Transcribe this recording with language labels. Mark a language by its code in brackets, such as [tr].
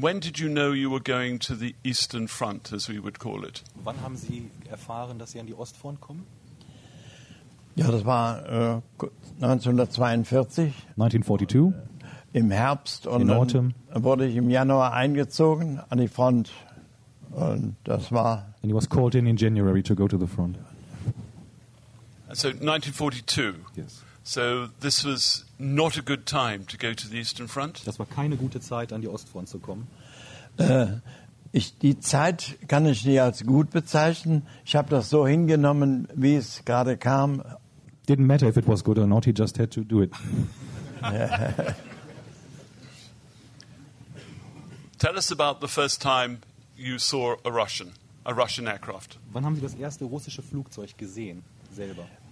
[en] When did you know you were going to the Eastern Front, as we would call it? [de] Wann haben Sie erfahren, dass Sie an die Ostfront kommen? Ja, das war 1942. 1942. Im Herbst und [en] in autumn. [de] Dann wurde ich im Januar eingezogen an die Front. Und das war. [en] And he was called in January to go to the front. So 1942. Yes. So this was not a good time to go to the Eastern Front. [de] Das war keine gute Zeit, an die Ostfront zu kommen. Die Zeit kann ich nicht als gut bezeichnen. Ich habe das so hingenommen, wie es gerade kam. [en] Didn't matter if it was good or not, he just had to do it. Tell us about the first time you saw a Russian aircraft. [de] Wann haben Sie das erste russische Flugzeug gesehen, selber?